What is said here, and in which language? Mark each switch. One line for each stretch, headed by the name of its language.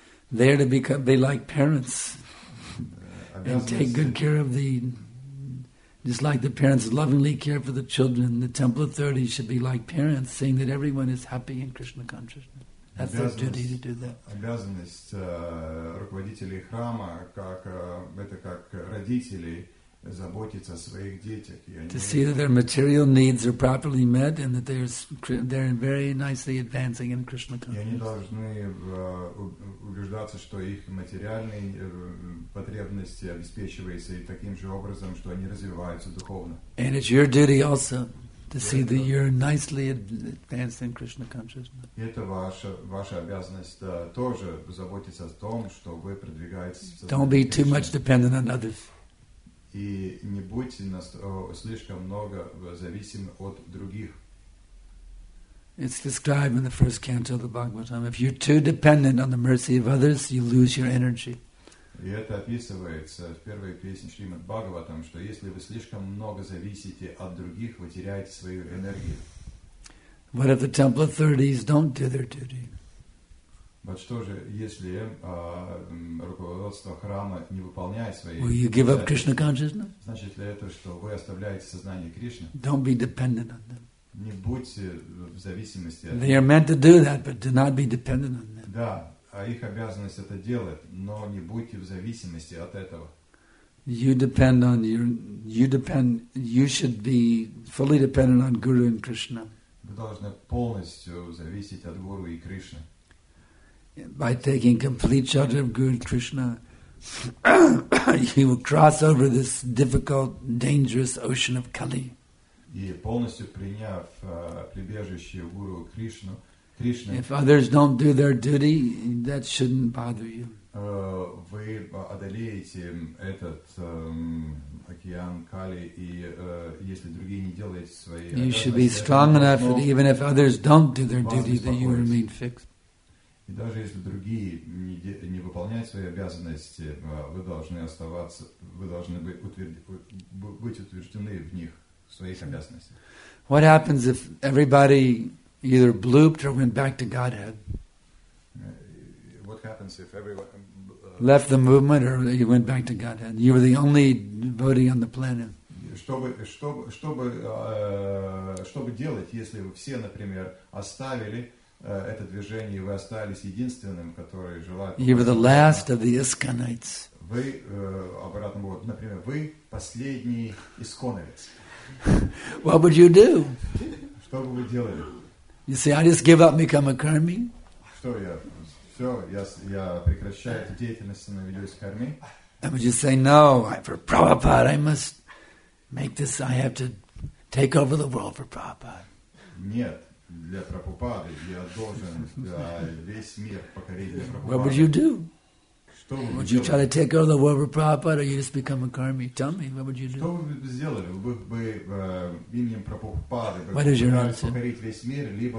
English: They're like parents and take good care of the, just like the parents lovingly care for the children. The temple authorities should be like parents, seeing that everyone is happy in Krishna consciousness. That's their duty to do that.
Russian: Обязанность руководителей храма как это как родителей заботиться о своих детях.
English: To see that their material needs are properly met and that they're very nicely advancing in Krishna consciousness.
Russian: И они должны убеждаться, что их материальные потребности обеспечиваются и таким же образом, что они развиваются духовно.
English: And it's your duty also to see that you're nicely advanced in Krishna consciousness.
Russian: И это ваша обязанность тоже заботиться о том, что вы продвигаетесь.
English: Don't be too much dependent on others.
Russian: И не будьте слишком много зависимы от других.
English: It's described in the first canto of the Bhagavatam. If you're too dependent on the mercy of others, you lose your energy.
Russian: И это описывается в первой песне Шримад Бхагаватам, что если вы слишком много зависите от других, вы теряете свою энергию.
English: What if the temple authorities don't do their duty?
Russian: Вот что же, если руководство храма не выполняет свои...
English: Will you give up Krishna consciousness?
Russian: Значит ли это, что вы оставляете сознание Кришны?
English: Don't be dependent on them.
Russian: Не будьте в зависимости от...
English: They are meant to do that, but do not be dependent on them.
Russian: Да, а их обязанность это делать, но не будьте в зависимости от этого.
English: You should be fully dependent on Guru and Krishna.
Russian: Вы должны полностью зависеть от Гуру и Кришны.
English: By taking complete shelter of Guru Krishna, you will cross over this difficult, dangerous ocean of Kali.
Russian: И полностью приняв прибежище Гуру Кришну, Кришна.
English: If others don't do their duty, that shouldn't bother you.
Russian: Вы одолеете этот океан Кали, и если другие не делают свои.
English: You should be strong enough that even if others don't do their duty, that you remain fixed.
Russian: И даже если другие не выполняют свои обязанности, вы должны оставаться, вы должны быть утверждены в них. своих обязанностей.
English: What happens if everybody either blooped or went back to Godhead? What happens if everyone left the movement or you went back to Godhead? You were the only devotee on the planet.
Russian: Что бы делать, если бы все, например, оставили это движение, и вы остались единственным, который желает...
English: You were the last of the Iskonites.
Russian: Вы, обратно, вот, например, вы последний исконовец.
English: What would you do?
Russian: Что бы вы делали?
English: You say, I just give up and become a karmi?
Russian: Что я? Все, я прекращаю эту деятельность, становлюсь карми.
English: And would you say, no, for Prabhupada, I must make this, I have to take over the world for Prabhupada.
Russian: Нет, для Прабхупады я должен весь мир покорить для Прабхупады.
English: What would you do?
Russian: Что вы
English: would you
Russian: делали?
English: Try to take over the world for Prabhupada or you just become a karmi? Tell me, what would you do?
Russian: Что вы бы сделали? Вы бы именем Прабхупады покорить весь мир, либо